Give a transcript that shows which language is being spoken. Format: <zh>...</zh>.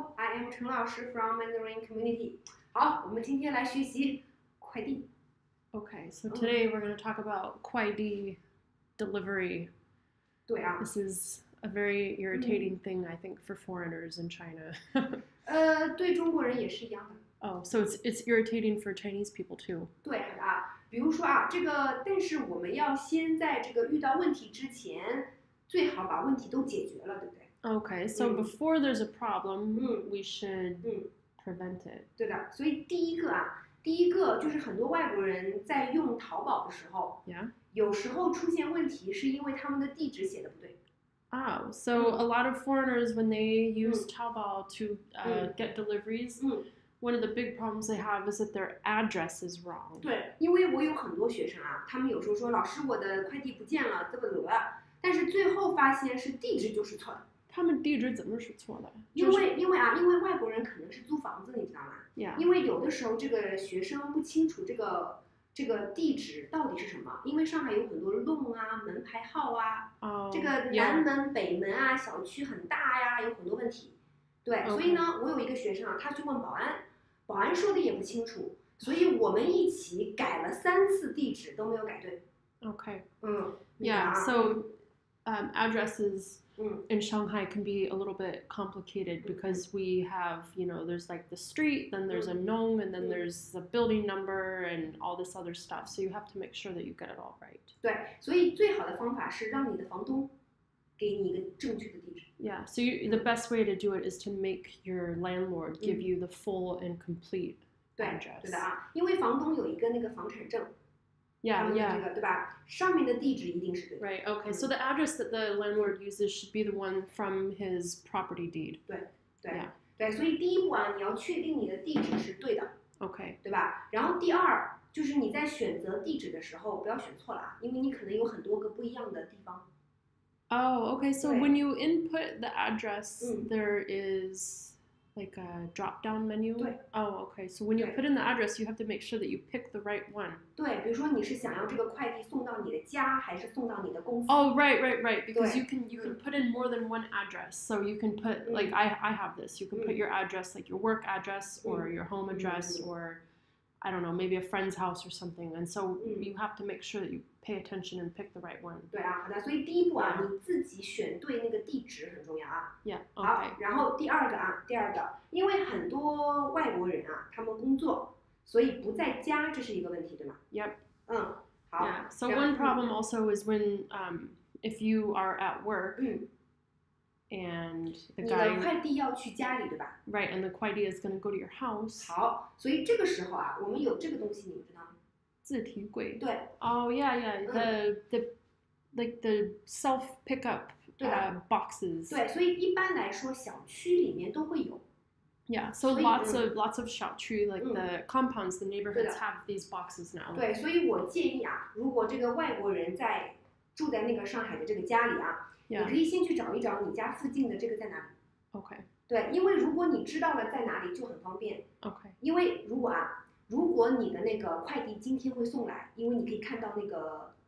<en>I am Chen Laoshi from Mandarin community.</en> <zh>好，我们今天来学习快递。</zh> <en>Okay, so today we're going to talk about Kuaidi Delivery.</en> <zh>对啊。</zh> <en>This is a very irritating thing, I think, for foreigners in China.</en> <zh>对中国人也是一样的。</zh> <en>Oh, so it's irritating for Chinese people too.</en> <zh>对啊，比如说啊，这个，但是我们要先在这个遇到问题之前，最好把问题都解决了，对不对？</zh> <en>Okay, so before there's a problem, we should prevent it.</en> <zh>对的，所以第一个啊，第一个就是很多外国人在用淘宝的时候，</zh> <en>yeah.</en> <zh>有时候出现问题是因为他们的地址写的不对。</zh> <en>Oh, so a lot of foreigners, when they use Taobao to get deliveries, one of the big problems they have is that their address is wrong.</en> <zh>对，因为我有很多学生啊，他们有时候说，老师，我的快递不见了，怎么怎么，但是最后发现是地址就是错的。他们地址怎么是错的？因为外国人可能是租房子，你知道吗？</zh> <en>Yeah.</en> <zh>因为有的时候这个学生不清楚这个地址到底是什么，因为上海有很多弄啊，门牌号啊，这个南门、</zh> <en>yeah.</en> <zh>北门啊，小区很大呀，有很多问题。对，</zh> <en>okay.</en> <zh>所以呢，我有一个学生啊，他去问保安说的也不清楚，所以我们一起改了三次地址都没有改对。</zh> <en>Okay. 嗯。 Yeah. 啊、 so, addresses. In Shanghai can be a little bit complicated because we have, you know, there's like the street, then there's a nong, and then there's the building number and all this other stuff. So you have to make sure that you get it all right.</en> <zh>对，所以最好的方法是让你的房东给你一个正确的地址。</zh> <en>Yeah, so you, the best way to do it is to make your landlord give you the full and complete address.</en> <zh>对的啊，因为房东有一个那个房产证。</zh> <en>Yeah, yeah.</en> <zh>对吧？上面的地址一定是对的。</zh> <en>Right, okay. So the address that the landlord uses should be the one from his property deed.</en> <zh>对，对，</zh> <en>yeah.</en> <zh>对。所以第一步啊，你要确定你的地址是对的。</zh> <en>Okay.</en> <zh>对吧？然后第二，就是你在选择地址的时候，不要选错了啊，因为你可能有很多个不一样的地方。</zh> <en>Oh, okay. So when you input the address, there is... like a drop-down menu? Oh, okay. So when you put in the address, you have to make sure that you pick the right one.</en> <zh>对，比如说你是想要这个快递送到你的家，还是送到你的公司？</zh> <en>Oh, right. Because you can put in more than one address. So you can put, like, I have this. You can put your address, like your work address, or your home address, or, I don't know, maybe a friend's house or something. And so you have to make sure that you pay attention and pick the right one.</en> <zh>对啊，好的。所以第一步啊，你自己选对那个地址很重要啊。</zh> <en>Yeah, okay.</en> <zh>好，然后第二个啊，第二个，因为很多外国人啊，他们工作，所以不在家，这是一个问题，对吗？</zh> <en>Yep.</en> <zh>嗯，好。</zh> <en>Yeah, so one problem also is when, if you are at work, and the guy...</en> <zh>你的快递要去家里，对吧？</zh> <en>Right, and the Kuaidi is going to go to your house.</en> <zh>好，所以这个时候啊，我们有这个东西，你们知道吗？自提柜。对。</zh> <en>Oh, yeah, yeah, the like the self-pickup. Boxes.</en> <zh>对，所以一般来说，小区里面都会有。</zh> <en>Yeah, so lots of 小区 like the compounds, the neighborhoods have these boxes now.</en> <zh>对，所以我建议啊，如果这个外国人在住在那个上海的这个家里啊，</zh> <en>yeah.</en> <zh>你可以先去找一找你家附近的这个在哪里。</zh> <en>Okay.</en> <zh>对，因为如果你知道了在哪里，就很方便。</zh> <en>Okay.</en> <zh>因为如果你的那个快递今天会送来，因为你可以看到那个。</zh>